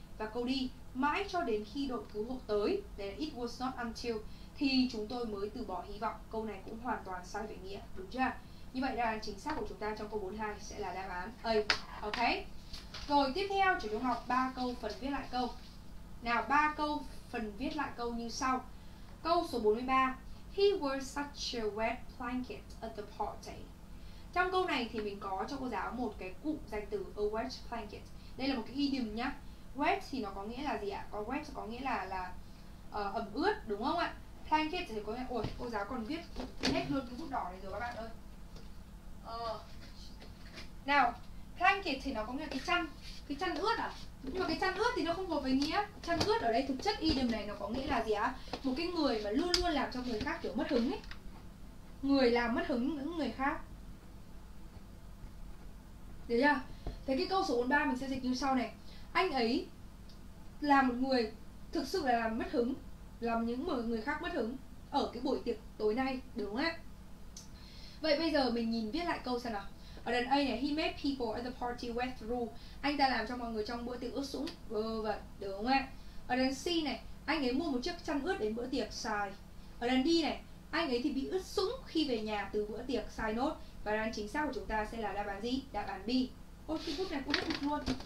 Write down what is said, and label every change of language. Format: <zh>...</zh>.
<vi>Và câu D, mãi cho đến khi đội cứu hộ tới, đây là</vi> <en>it was not until,</en> <vi>thì chúng tôi mới từ bỏ hy vọng. Câu này cũng hoàn toàn sai về nghĩa, đúng chưa? Như vậy đáp án chính xác của chúng ta trong câu 42 sẽ là đáp án A. Ok. Rồi tiếp theo chủ trung học 3 câu phần viết lại câu. Nào 3 câu phần viết lại câu như sau. Câu số 43.</vi> <en>He wore such a wet blanket at the party.</en> <vi>Trong câu này thì mình có cho cô giáo một cái cụm danh từ</vi> <en>a wet blanket.</en> <vi>Đây là một cái idiom nhá. Wet thì nó có nghĩa là gì ạ? Có wet có nghĩa là ẩm ướt đúng không ạ? Blanket thì có nghĩa ủa cô giáo còn viết hết luôn cái bút đỏ này rồi các bạn ơi. Nào, blanket thì nó có nghĩa là cái chăn ướt à? Nhưng mà cái chăn ướt thì nó không có với nghĩa. Chăn ướt ở đây thực chất idiom này nó có nghĩa là gì á? Một cái người mà luôn luôn làm cho người khác kiểu mất hứng ấy. Người làm mất hứng những người khác. Được chưa? Thế cái câu số 43 mình sẽ dịch như sau này. Anh ấy là một người thực sự là làm mất hứng, làm những người khác mất hứng ở cái buổi tiệc tối nay, đúng không ạ? Vậy bây giờ mình nhìn viết lại câu xem nào. Ở đoạn A này,</vi> <en>he made people at the party wet through.</en> <vi>Anh ta làm cho mọi người trong bữa tiệc ướt sũng. Vâng, đúng không ạ? Ở đoạn C này, anh ấy mua một chiếc chăn ướt đến bữa tiệc, sai. Ở đoạn D này, anh ấy thì bị ướt sũng khi về nhà từ bữa tiệc, sai nốt. Và đáp án chính xác của chúng ta sẽ là đáp án gì? Đáp án B. Ôi, cái bút này cũng hết mực luôn.</vi>